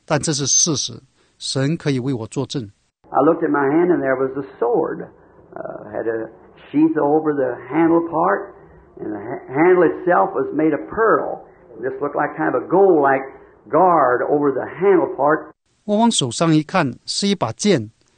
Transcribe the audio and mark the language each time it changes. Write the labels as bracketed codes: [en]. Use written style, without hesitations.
[zh] 电台的听众们，我所说的事可能听起来很奇怪，但这是事实，神可以为我作证。 [en] I looked at my hand, and there was a sword. Had a sheath over the handle part, and the handle itself was made of pearl. It just looked like kind of a gold-like guard over the handle part. [zh] 我往手上一看，是一把剑。